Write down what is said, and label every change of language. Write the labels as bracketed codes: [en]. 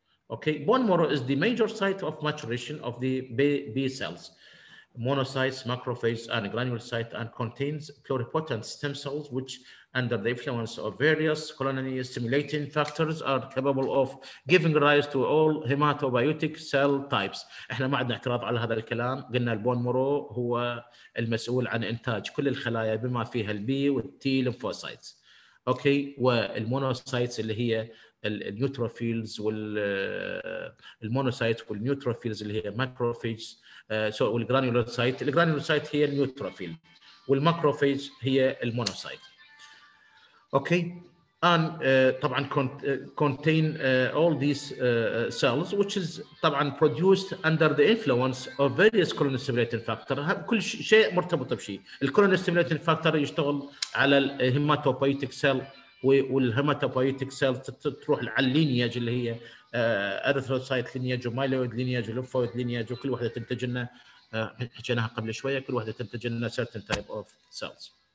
[en] Okay, bone marrow is the major site of maturation of the B cells, monocytes, macrophages, and granulocytes, and contains pluripotent stem cells, which, under the influence of various colony stimulating factors, are capable of giving rise to all hematobiotic cell types. [ar] إحنا ما عندنا اعتراض على هذا الكلام. قلنا البون مورو هو المسؤول عن إنتاج كل الخلايا بما فيها البي والتي لمفوسايتس. Okay, والمونوسايتس اللي هي النيوتروفيلز والمونوسايت والنيوتروفيلز اللي هي ماكروفيج والجرانيولوسايت. الجرانيولوسايت هي النيوتروفيل والماكروفيج هي المونوسايت. [en] Okay ان طبعا contain all these cells which is طبعا produced under the influence of various colony stimulating factor. [ar] كل شيء مرتبط بشيء. الكولوني ستيميليتنج فاكتور يشتغل على الهيماتوبويتيك سيل, والهيماتوبويتيك سيل تروح على اللينياج اللي هي اريثروسايت لينياج ومايلويد لينياج ولمفويد لينياج, وكل واحده تنتج لنا حكيناها قبل شويه كل واحده تنتج لنا [en] certain type of cells.